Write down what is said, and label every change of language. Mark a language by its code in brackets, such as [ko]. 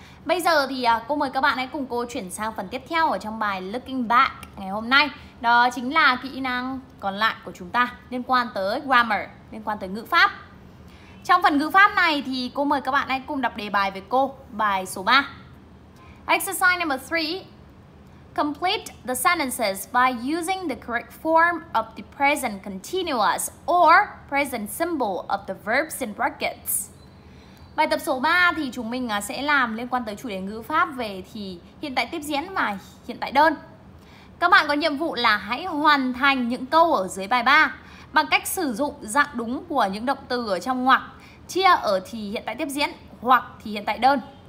[vi] Bây giờ thì cô mời các bạn hãy cùng cô chuyển sang phần tiếp theo ở trong bài Looking Back ngày hôm nay. Đó chính là kỹ năng còn lại của chúng ta liên quan tới grammar, liên quan tới ngữ pháp. Trong phần ngữ pháp này thì cô mời các bạn hãy cùng đọc đề bài với cô, bài số 3. [en] Exercise number 3. Complete the sentences by using the correct form of the present continuous or present symbol of the verbs in brackets. [vi] Bài tập số 3 thì chúng mình sẽ làm liên quan tới chủ đề ngữ pháp về thì hiện tại tiếp diễn và hiện tại đơn. Các bạn có nhiệm vụ là hãy hoàn thành những câu ở dưới bài 3 bằng cách sử dụng dạng đúng của những động từ ở trong ngoặc, chia ở thì hiện tại tiếp diễn hoặc thì hiện tại đơn.